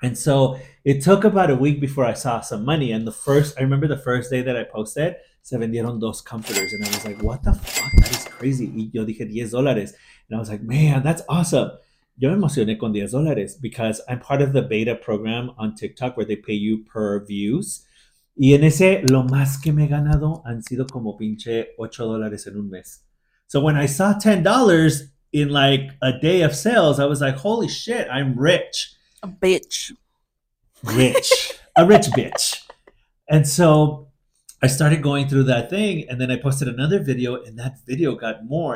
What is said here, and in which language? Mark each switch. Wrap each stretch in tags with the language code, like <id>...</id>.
<en>And so it took about a week before I saw some money. And I remember the first day that I posted,</en> <es>se vendieron 2</es> <en>comforters. And I was like, what the fuck? That is crazy.</en> <es>Y yo dije $10.</es> <en>And I was like, man, that's awesome.</en> <es>Yo me emocioné con $10</es> <en>because I'm part of the beta program on TikTok where they pay you per views.</en> <es>Y en ese, lo más que me he ganado han sido como pinche $8 en un mes.</es> <en>So when I saw $10 in like a day of sales, I was like, holy shit, I'm rich. A bitch. Rich. A rich bitch. And so I started going through that thing, and then I posted another video, and that video got more.</en>